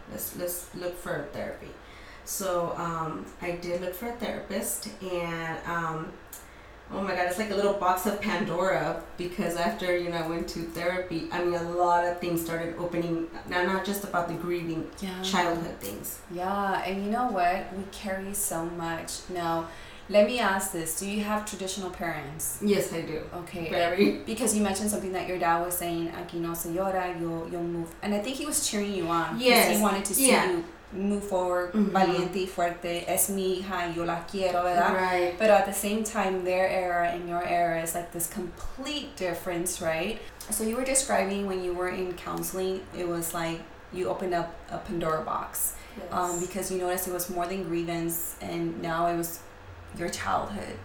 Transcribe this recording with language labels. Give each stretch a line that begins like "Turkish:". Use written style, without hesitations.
English: Let's look for therapy. So I did look for a therapist, and oh my God, it's like a little box of Pandora, because after, you know, I went to therapy, I mean, a lot of things started opening, not just about the grieving, childhood things. Yeah, and you know what? We carry so much. Now, let me ask this. Do you have traditional parents? Yes, I do. Okay. Very. Because you mentioned something that your dad was saying,
Spanish: aquí no se llora,
English: you'll move. And I think he was cheering you on. Yes. He wanted to see you move forward,
Spanish: valiente y fuerte, es mi hija, yo la quiero, ¿verdad?
English: Right. But at the same time, their era and your era is like this complete difference, right? So you were describing when you were in counseling, it was like you opened up a Pandora box. Yes. Because you noticed it was more than grievance, and now it was your childhood.